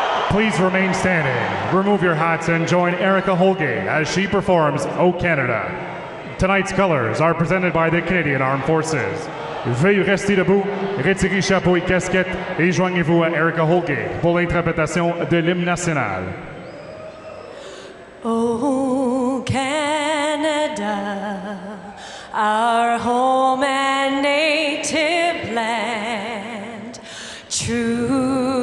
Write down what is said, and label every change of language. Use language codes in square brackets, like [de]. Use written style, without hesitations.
[en] Please remain standing, remove your hats, and join Erica Holgate as she performs O Canada. Tonight's colors are presented by the Canadian Armed Forces. [fr] Veuillez rester debout, retirez chapeau et casquette, et joignez-vous à Erica Holgate pour l'interprétation de l'hymne national. [en] O Canada, our home and native land, true.